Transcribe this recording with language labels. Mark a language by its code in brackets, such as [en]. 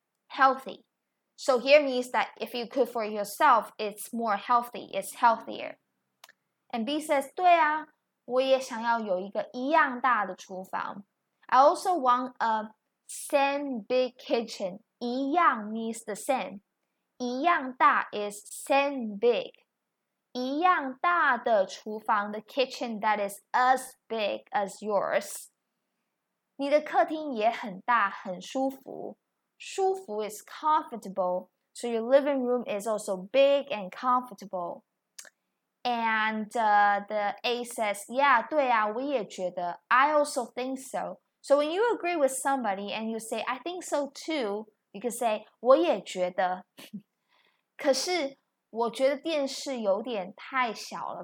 [en] healthy So here means that if you cook for yourself it's more healthy it's healthier And B says [zh] 对啊我也想要有一个一样大的厨房。 [en] I also want a same big kitchen. [zh] 一样 [en] means the same. [zh] 一样大 [en] is same big. [zh] 一样大的厨房 [en] the kitchen that is as big as yours. [zh] 你的客厅也很大很舒服。 [en] 舒服 is comfortable. So your living room is also big and comfortable. And the A says, yeah, [zh] 对啊，我也觉得。 [en] I also think so. So when you agree with somebody and you say, I think so too, you can say, [zh] 我也觉得。可是我觉得电视有点太小了。